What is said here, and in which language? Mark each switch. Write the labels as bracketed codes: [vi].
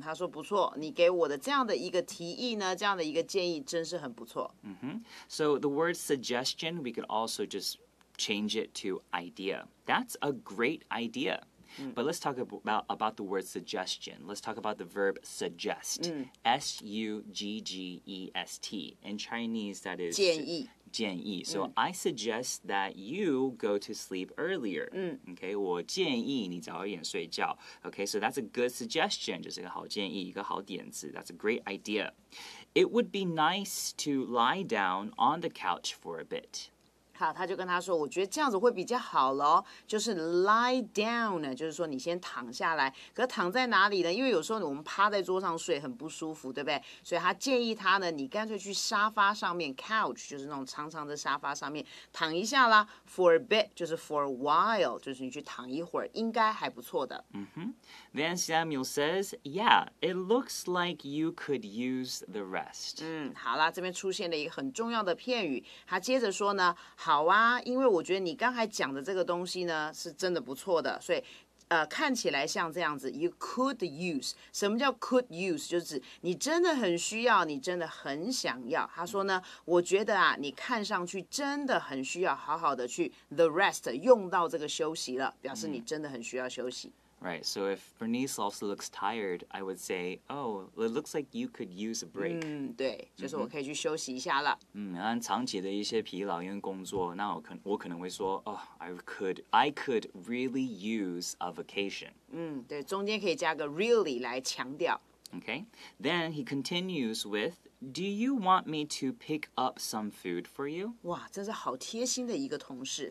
[zh] 她说不错，你给我的这样的一个提议呢，这样的一个建议真是很不错。 [en] So the word suggestion, we could also just change it to idea. That's a great idea. But let's talk about the word suggestion. Let's talk about the verb suggest.、S-U-G-G-E-S-T. In Chinese, that is... [zh] 建议。建议。 [en] So、I suggest that you go to sleep earlier.、Okay, [zh] 我建议你早一点睡觉。 [en] Okay, so that's a good suggestion. [zh] 就是一个好建议，一个好点子。 [en] That's a great idea. It would be nice to lie down on the couch for a bit. [zh] 好，他就跟他说，我觉得这样子会比较好咯，就是 lie down 呢，就是说你先躺下来。可躺在哪里呢？因为有时候我们趴在桌上睡很不舒服，对不对？所以他建议他呢，你干脆去沙发上面 couch， 就是那种长长的沙发上面躺一下啦。 For a bit 就是 for a while， 就是你去躺一会儿，应该还不错的。 [en] Then Samuel says， Yeah， it looks like you could use the rest。 [zh] 嗯，好啦，这边出现了一个很重要的片语，他接着说呢，好啊，因为我觉得你刚才讲的这个东西呢是真的不错的，所以看起来像这样子 [en] you could use。 [zh] 什么叫 could use？就是你真的很需要，你真的很想要。他说呢，我觉得啊，你看上去真的很需要好好的去 the rest， 用到这个休息了，表示你真的很需要休息。 [en] Right, so if Bernice also looks tired, I would say, oh, it looks like you could use a break. [zh] 嗯，对，就是我可以去休息一下了。嗯，按长期的一些疲劳因为工作，那我可能会说 [en] oh, I could really use a vacation. [zh] 嗯，对，中间可以加个 really 来强调。 [en] Okay, then he continues with, do you want me to pick up some food for you? [zh] 哇，真是好贴心的一个同事。